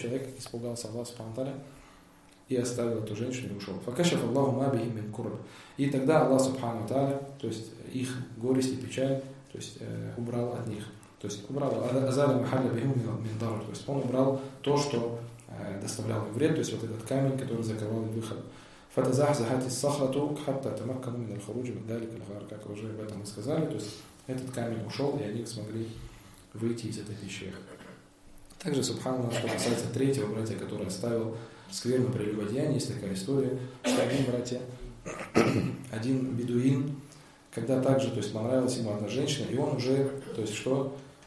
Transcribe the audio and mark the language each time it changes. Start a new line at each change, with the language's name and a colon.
Russian: Человек испугался Аллаха Субхану Тааля и оставил эту женщину и ушел.
Arabic: Факашаф Аллаху ма бихим мин курб.
Russian: И тогда Аллах Субхану Тааля, то есть их горесть и печаль, то есть убрал от них. То есть убрал
Arabic: азар махалля бихим мин дар.
Russian: То есть он убрал то, что доставляло им вред, то есть вот этот камень, который закрывал им выход.
Arabic: فتزحزحت الصخرة حتى تمكنوا من الخروج من ذلك الغار.
Russian: Как уже об этом мы сказали, то есть этот камень ушел, и они смогли выйти из этой пещеры. Также, субханаллах, что касается третьего братья, который оставил скверное прелюбодеяние, есть такая история, что один братья, один бедуин, когда также, то есть понравилась ему одна женщина, и он уже, то есть что,